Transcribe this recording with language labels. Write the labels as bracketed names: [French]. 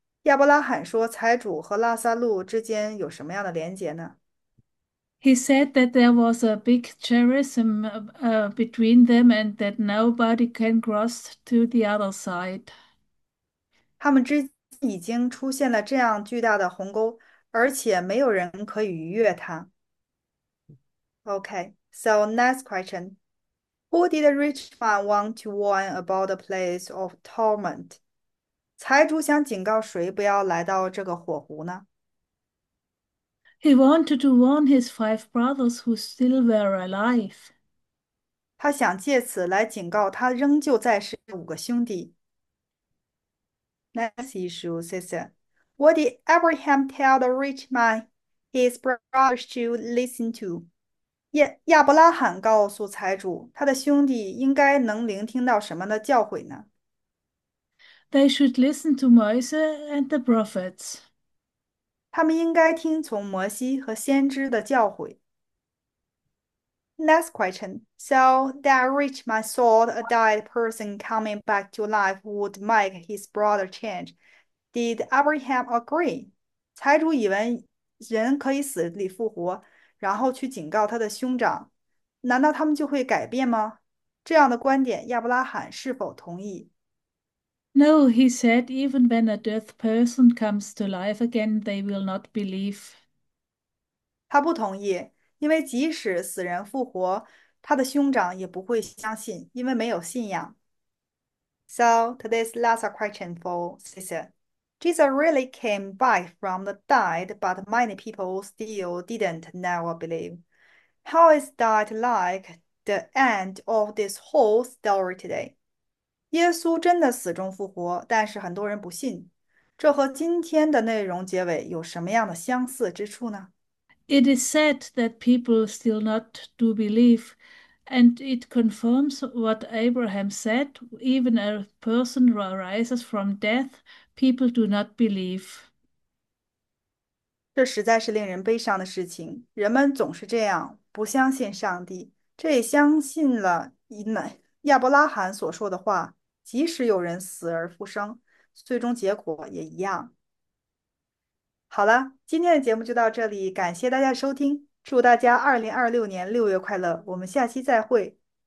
[Chinese] 亚伯拉罕说，财主和拉萨路之间有什么样的连结呢？ [English] He said that there was a big chasm between them and that nobody can cross to the other side. [Chinese] 他们之已经出现了这样巨大的鸿沟。而且没有人可以逾越它。 [English] Okay, so next question. Who did the rich man want to warn about the place of torment? [Chinese] 财主想警告谁不要来到这个火湖呢？ [English] He wanted to warn his five brothers who still were alive. [Chinese] 他想借此来警告他仍旧在世的五个兄弟。 [English] Next issue, sister. What did Abraham tell the rich man his brothers to listen to? [Chinese] 亚伯拉罕告诉财主，他的兄弟应该能聆听到什么的教诲呢？ [English] They should listen to Moses and the prophets. [Chinese] 他们应该听从摩西和先知的教诲。 [English] Next question. So that rich man thought a dead person coming back to life would make his brother change. Did Abraham agree? [Chinese] 财主以为人可以死里复活，然后去警告他的兄长，难道他们就会改变吗？这样的观点，亚伯拉罕是否同意？ [English] No, he said, even when a dead person comes to life again, they will not believe. [Chinese] 他不同意，因为即使死人复活，他的兄长也不会相信，因为没有信仰。 [English] So, today's last question for Caesar. Jesus really came back from the dead, but many people still didn't know or believe. How is that like the end of this whole story today? [Chinese] 耶稣真的死中复活，但是很多人不信。这和今天的内容结尾有什么样的相似之处呢？ [English] It is said that people still not do believe, and it confirms what Abraham said, even a person rises from death, people do not believe. [Chinese] 这实在是令人悲伤的事情。人们总是这样，不相信上帝，这也相信了亚伯拉罕所说的话：即使有人死而复生，最终结果也一样。好了，今天的节目就到这里，感谢大家收听，祝大家2026年6月快乐，我们下期再会。